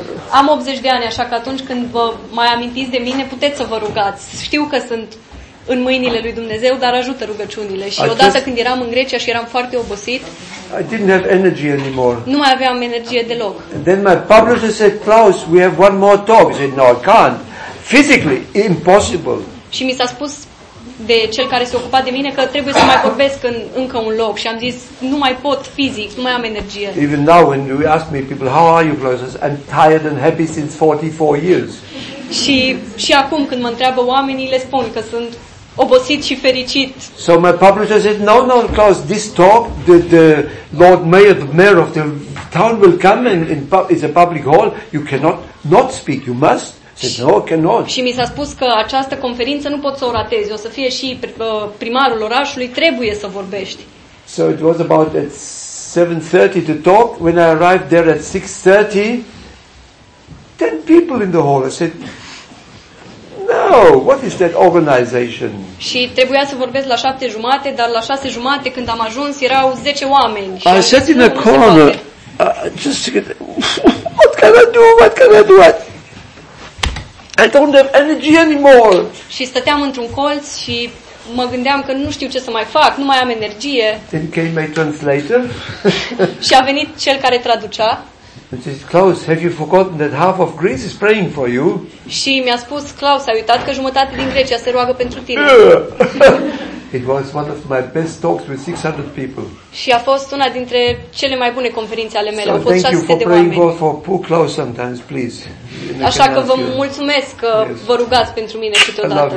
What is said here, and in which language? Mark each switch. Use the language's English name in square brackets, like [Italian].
[Romanian] Am 80 de ani, așa că atunci când vă mai amintiți de mine, puteți să vă rugați. Știu că sunt în mâinile lui Dumnezeu, dar ajută rugăciunile. Și odată când eram în Grecia și eram foarte obosit, [English] I didn't have energy anymore. [Romanian] Nu mai aveam energie deloc. [English] And then my publisher said, Klaus, we have one more talk. I said, no, I can't. Physically, impossible. [Romanian] Și mi s-a spus de cel care se ocupa de mine că trebuie să mai vorbesc în încă un loc. Și am zis, nu mai pot fizic, nu mai am energie. [English] Even now, when you ask me, people, how are you, Klaus? I'm tired and happy since 44 years. [Romanian] Și acum, când mă întreabă oamenii, le spun că sunt obosit și fericit. [English] So my publisher said, no, no, Klaus, this talk, the Lord Mayor, the mayor of the town will come and it's a public hall, you cannot not speak, you must. I said, no, I cannot. [Romanian] Și mi s-a spus că această conferință nu pot să o ratezi, o să fie și primarul orașului, trebuie să vorbești. [English] So it was about at 7:30 the talk, when I arrived there at 6:30, 10 people in the hall. I said, no, what is that organization? [Romanian] Și trebuia să vorbesc la 7 jumate, dar la 6 jumate când am ajuns erau 10 oameni. [English] I sat in a corner. What can I do? What can I do? I don't have energy anymore. [Romanian] Și stăteam într-un colț și mă gândeam că nu știu ce să mai fac, nu mai am energie. [English] Then came my translator. [Romanian] Și a venit cel care traducea. [English] And he said, Klaus, have you forgotten that half of Greece is praying for you? [Romanian] Și mi-a spus, Klaus, ai uitat că jumătate din Grecia se roagă pentru tine. [English] It was one of my best talks with 600 people. [Romanian] Și a fost una dintre cele mai bune conferințe ale mele. [English] So thank you for praying for poor Klaus sometimes, please. [Romanian] Așa că vă mulțumesc că vă rugați pentru mine câteodată.